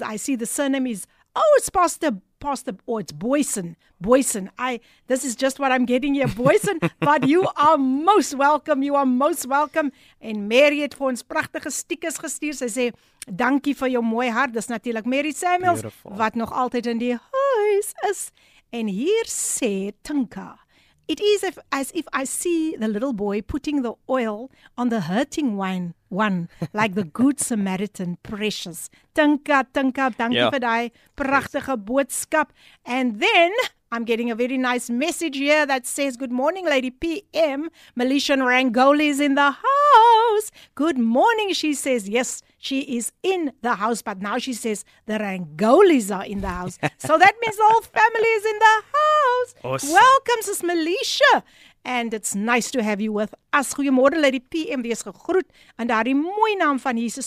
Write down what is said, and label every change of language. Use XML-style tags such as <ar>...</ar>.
<en>I see the surname is, it's Pastor, it's Boyson. Boyson, this is just what I'm getting here, Boyson. But you are most welcome. You are most welcome.</en> <af>En Mary het vir ons prachtige stickers gestuur. Sy sê, dankie vir jou mooi hart. Dis natuurlijk Mary Samuels,</af> <en>beautiful,</en> <af>wat nog altyd in die huis is.</af> <en>And here say Tinka, it is as if I see the little boy putting the oil on the hurting one, like the good Samaritan, precious. Tinka, Tinka, thank you for thy</en> <af>prachtige boodskap.</af> <en>And then I'm getting a very nice message here that says, good morning, Lady PM. Malishan Rangoli is in the house. Good morning, she says. Yes, she is in the house. But now she says the Rangolis are in the house. So that means the whole family is in the house. Awesome. Welcome, sis Malisha. And it's nice to have you with us.</en> <af>Goeiemorgen, Lady PM. Wees gegroet in daardie mooi naam van Jesus.</af>